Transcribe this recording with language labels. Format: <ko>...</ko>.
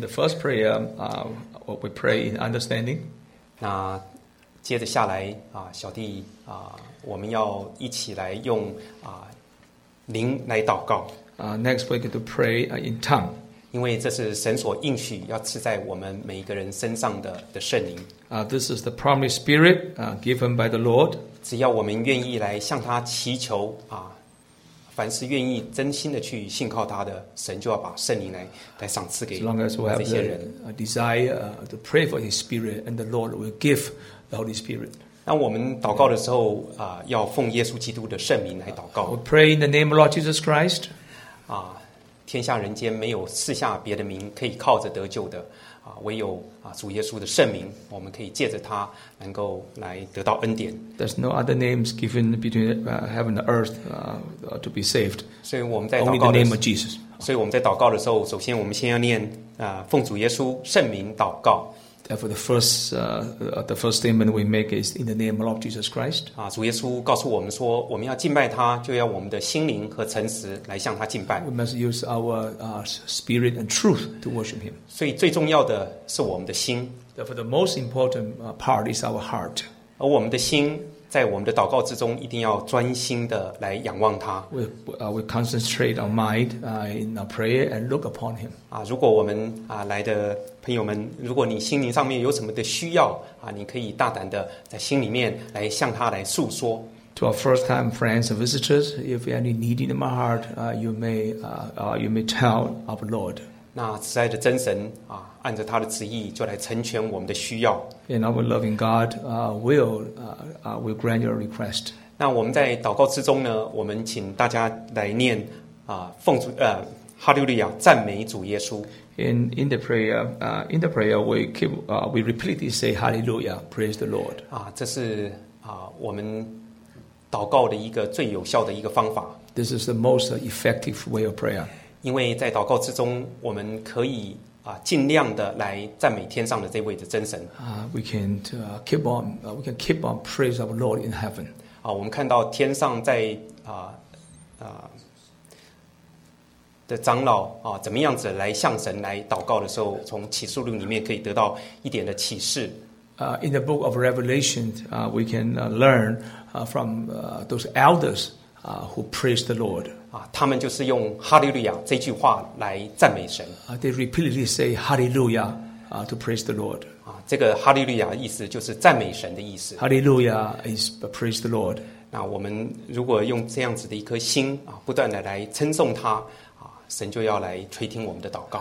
<en>the first prayer, we pray in understanding.</en> <zh>那接着下来，小弟，我们要一起来用。灵来祷告。</zh> <en>Next, we're going to pray in tongue.</en> <zh>因为这是神所应许要赐在我们每一个人身上的圣灵。</zh> <en>This is the promised spirit given by the Lord.</en> <zh>只要我们愿意来向他祈求，凡是愿意真心的去信靠他的，神就要把圣灵来赏赐给这些人。</zh> <en>As long as we have the desire to pray for His Spirit, and the Lord will give the Holy Spirit.</en> <zh>那我们祷告的时候，要奉耶稣基督的圣名来祷告。</zh> <en>We pray in the name of Lord Jesus Christ.</en> <zh>天下人间没有赐下别的名可以靠着得救的，唯有主耶稣的圣名，我们可以借着他能够来得到恩典。</zh> <en>There's no other names given between heaven and earth to be saved.</en> <zh>所以我们在祷告的时候</zh> <en>Only the name of Jesus.</en> <zh>所以我们在祷告的时候，首先我们先要念奉主耶稣圣名祷告。</zh> <en>Therefore, the first statement we make is in the name of Jesus Christ.</en> <zh>主耶稣告诉我们说，我们要敬拜他，就要我们的心灵和诚实来向他敬拜。</zh> <en>We must use our spirit and truth to worship him.</en> <zh>所以最重要的是我们的心。</zh> <en>Therefore, the most important part is our heart.</en> <zh>而我们的心在我们的祷告之中，一定要专心的来仰望他。</zh> <en>We concentrate our mind in our prayer and look upon him.</en> <zh>如果我们来的朋友们，如果你心灵上面有什么的需要你可以大胆的在心里面来向他来诉说。</zh> <en>To our first-time friends and visitors, if you have any need in my heart, you may tell our Lord.</en> <zh>那慈爱的真神按着他的旨意就来成全我们的需要。</zh> <en>And our loving God will grant your request.</en> <zh>那我们在祷告之中呢，我们请大家来念Hallelujah, 赞美主耶稣。</zh> <en>In the prayer, we repeatedly say Hallelujah, praise the Lord.</en> <zh>这是我们祷告的一个最有效的一个方法。</zh> <en>This is the most effective way of prayer.</en> <zh>因为在祷告之中，我们可以尽量的来赞美天上的这位的真神。</zh> <en>We can keep on praise our Lord in heaven.</en> <zh>我们看到天上在的长老怎么样子来向神来祷告的时候，从启示录里面可以得到一点的启示。</zh> <en>In the book of Revelation, we can learn from those elders who praise the Lord.</en> <zh>他们就是用哈利路亚这句话来赞美神。</zh> <en>They repeatedly say Hallelujah to praise the Lord.</en> <zh>这个哈利路亚意思就是赞美神的意思。</zh> <en>Hallelujah is praise the Lord.</en> <zh>那我们如果用这样子的一颗心不断的来称颂他。神就要来垂听我们的祷告。</zh>